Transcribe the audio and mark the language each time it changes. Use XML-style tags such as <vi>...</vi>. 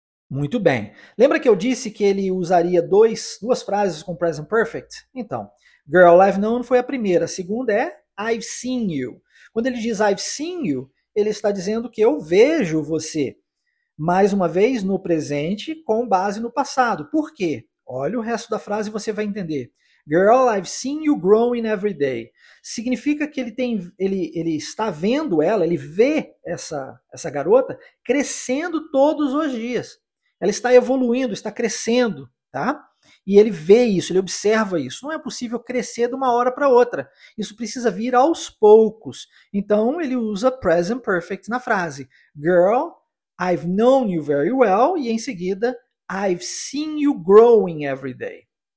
<pt>Muito bem. Lembra que eu disse que ele usaria duas frases com present perfect? Então,</pt> <en>girl, I've known</en> <pt>foi a primeira. A segunda é,</pt> <en>I've seen you.</en> <pt>Quando ele diz,</pt> <en>I've seen you,</en> <pt>ele está dizendo que eu vejo você. Mais uma vez, no presente, com base no passado. Por quê? Olha o resto da frase e você vai entender.</pt> <en>Girl, I've seen you growing every day.</en> <pt>Significa que ele está vendo ela, ele vê essa garota crescendo todos os dias. Ela está evoluindo, está crescendo, tá? E ele vê isso, ele observa isso. Não é possível crescer de uma hora para outra. Isso precisa vir aos poucos. Então, ele usa present perfect na frase.</pt> <en>Girl, I've known you very well.</en> <pt>E em seguida,</pt> <en>I've seen you growing every day.</en>